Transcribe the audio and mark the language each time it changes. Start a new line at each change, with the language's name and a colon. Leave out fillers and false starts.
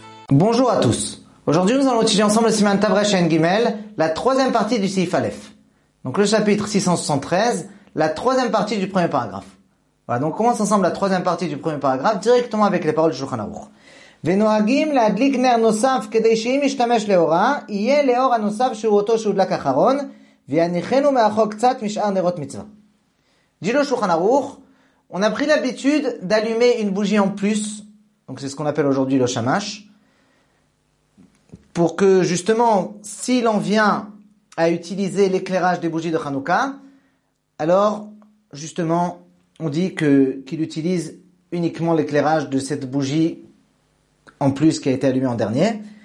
French: Bonjour à tous. Aujourd'hui, nous allons étudier ensemble le Siman Tavresh en Gimel, la troisième partie du Sif Aleph. Donc le chapitre 673, la troisième partie du premier paragraphe. Voilà, donc on commence ensemble la troisième partie du premier paragraphe directement avec les paroles du Shulchan Aruch.
Hebrew: ונוהגים להדליק נר נוסף כדי שאם ישתמש לאורה, יהיה לאור הנוסף שהוא אותו שהודלק אחרון, ויניחנו מאחור קצת משאר נרות מצווה.
French: Dit le Shulchan Aruch, on a pris l'habitude d'allumer une bougie en plus, donc c'est ce qu'on appelle aujourd'hui le shamash, pour que justement, si l'on vient à utiliser l'éclairage des bougies de Hanouka, alors justement, on dit qu'il utilise uniquement l'éclairage de cette bougie en plus qui a été allumée en dernier.